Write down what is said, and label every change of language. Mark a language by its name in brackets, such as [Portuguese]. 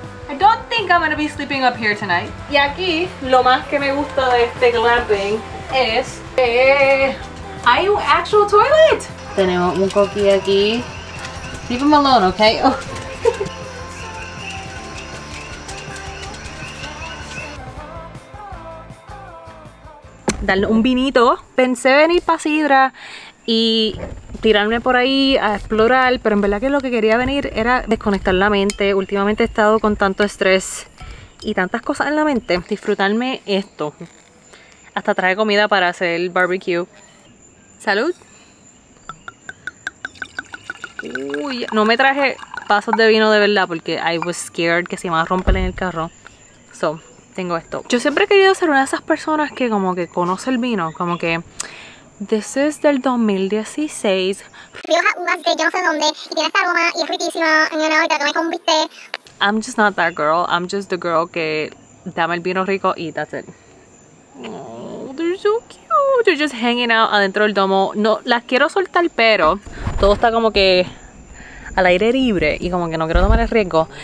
[English] I don't think I'm gonna be sleeping up here tonight. [Spanish] Y aquí lo más que me gusta de este glamping es hay un [English] actual toilet. [Spanish] Tenemos un coqui aquí. [English] Leave him alone, okay? [Spanish] Oh. Darle un vinito. Pensé venir para Sidra y tirarme por ahí a explorar, pero en verdad que lo que quería venir era desconectar la mente. Últimamente he estado con tanto estrés y tantas cosas en la mente. Disfrutarme esto. Hasta traje comida para hacer el barbecue. ¡Salud! Uy, no me traje vasos de vino de verdad porque [English] I was scared [Spanish] que se iban a romper en el carro. So, tengo esto. Yo siempre he querido ser una de esas personas que como que conoce el vino. Como que, [English] this is [Spanish] del 2016. Rioja uvas de yo no sé dónde y tiene esta aroma y es riquísima. Y ahora ya tomé con bistec. [English] I'm just not that girl. I'm just the girl [Spanish] que dame el vino rico y [English] that's it. Oh, they're so cute. They're just hanging out [Spanish] adentro del domo. No, las quiero soltar, pero todo está como que al aire libre y como que no quiero tomar el riesgo.